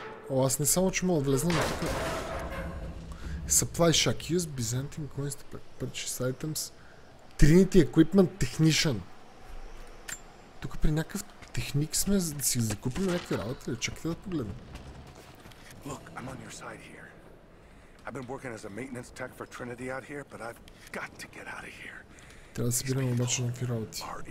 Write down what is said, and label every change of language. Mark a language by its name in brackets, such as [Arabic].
[Bulgarian] О, аз не само, че мога да влезна, но тук... [English] Supply Shack. Use Byzantine Coins to purchase items. Trinity Equipment Technician. [Bulgarian] Тук при някакъв техник сме, за да си закупим някакви работи. Чакайте да погледна. [English] Look, I'm on your side here. I've been working as a maintenance tech for Trinity out here, but I've got to get out of here. [Bulgarian] Трябва да събираме обаче някакви работи.